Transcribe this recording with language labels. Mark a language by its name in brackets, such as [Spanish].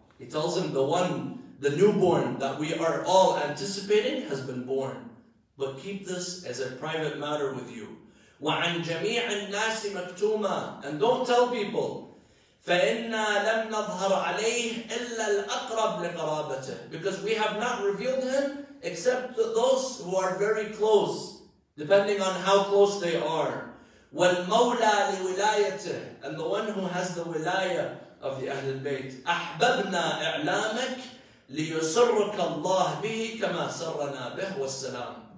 [English] He tells him, the newborn that we are all anticipating has been born. But keep this as a private matter with you. [Arabic] وعن جميع الناس مكتوما. [English] And don't tell people. [Arabic] فإنا لم نظهر عليه إلا الأقرب لقرابته. [English] Because we have not revealed him except to those who are very close, depending on how close they are. [Arabic] والمولى لولايته, [English] and the one who has the wilaya of the Ahlul Bayt. [Arabic] أحببنا إعلامك ليسرك الله به كما سرنا به والسلام.